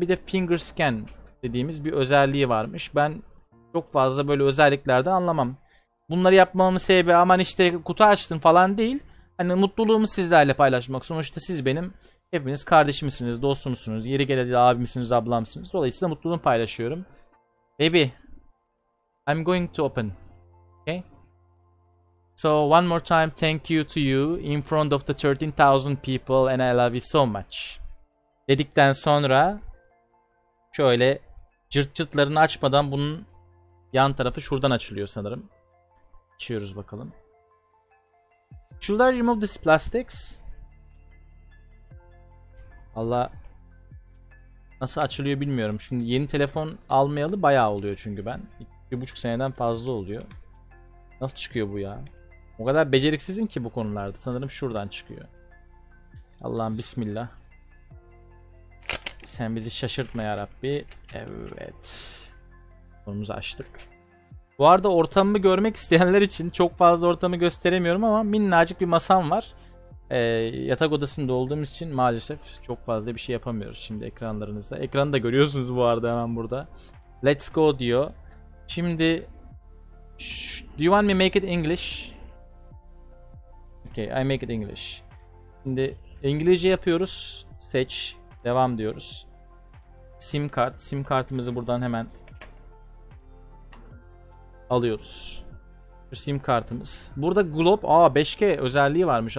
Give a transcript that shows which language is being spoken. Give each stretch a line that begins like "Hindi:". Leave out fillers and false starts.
Turkish: Bir de Finger Scan dediğimiz bir özelliği varmış. Ben çok fazla böyle özelliklerden anlamam. Bunları yapmamın sebebi aman işte kutu açtın falan değil. Hani mutluluğumu sizlerle paylaşmak. Sonuçta siz benim hepiniz kardeşimsiniz, dostumsunuz. Yeri geldi abimsiniz, ablamsınız. Dolayısıyla mutluluğumu paylaşıyorum.
English: Baby, I'm going to open. Okay? So one more time, thank you to you in front of the 13,000 people and I love you so much.
Turkish: Dedikten sonra şöyle cırtçıtlarını açmadan bunun yan tarafı şuradan açılıyor sanırım. Açıyoruz bakalım.
English: Should I remove these plastics?
Turkish: Allah, nasıl açılıyor bilmiyorum. Şimdi yeni telefon almayalı bayağı oluyor çünkü ben. 1,5 seneden fazla oluyor. Nasıl çıkıyor bu ya? O kadar beceriksizim ki bu konularda. Sanırım şuradan çıkıyor. Allah'ım bismillah. Sen bizi şaşırtma ya Rabbi. Evet. Konumuzu açtık. Bu arada ortamımı görmek isteyenler için çok fazla ortamı gösteremiyorum ama minnacık bir masam var. Yatak odasında olduğumuz için maalesef çok fazla bir şey yapamıyoruz şimdi ekranlarınızda. Ekranı da görüyorsunuz bu arada hemen burada.
English: Let's go
Turkish: diyor. Şimdi
English: do you want me make it English? Okay, I make it English.
Turkish: Şimdi İngilizce yapıyoruz. Seç, devam diyoruz. Sim kart, sim kartımızı buradan hemen alıyoruz. Şu sim kartımız. Burada Glob, aa 5G özelliği varmış.